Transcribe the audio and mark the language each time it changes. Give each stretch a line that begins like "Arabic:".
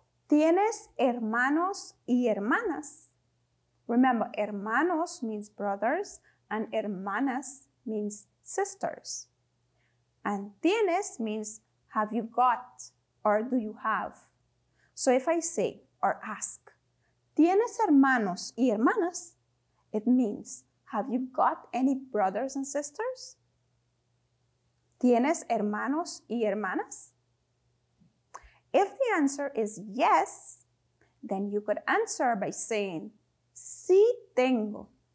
Spanish: ¿Tienes hermanos y hermanas?
English: Remember, hermanos means brothers and hermanas means sisters. And tienes means have you got or do you have? So if I say or ask,
Spanish: ¿Tienes hermanos y hermanas?
English: It means, have you got any brothers and sisters?
Spanish: ¿Tienes hermanos y hermanas?
English: If the answer is yes, then you could answer by saying,
Spanish: sí tengo.